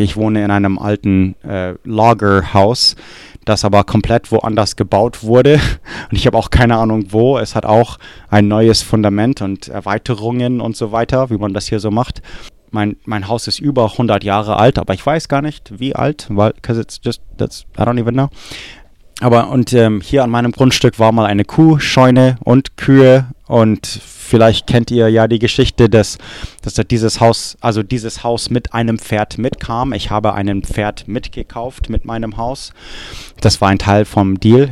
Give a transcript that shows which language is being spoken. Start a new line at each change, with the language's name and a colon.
German: Ich wohne in einem alten Lagerhaus, das aber komplett woanders gebaut wurde. Und ich habe auch keine Ahnung wo. Es hat auch ein neues Fundament und Erweiterungen und so weiter, wie man das hier so macht. Mein Haus ist über 100 Jahre alt, aber ich weiß gar nicht, wie alt.
English: Weil, because it's just, that's, I don't even know.
German: Aber und hier an meinem Grundstück war mal eine Kuhscheune und Kühe und vielleicht kennt ihr ja die Geschichte, dass dieses Haus mit einem Pferd mitkam. Ich habe einen Pferd mitgekauft mit meinem Haus. Das war ein Teil vom Deal.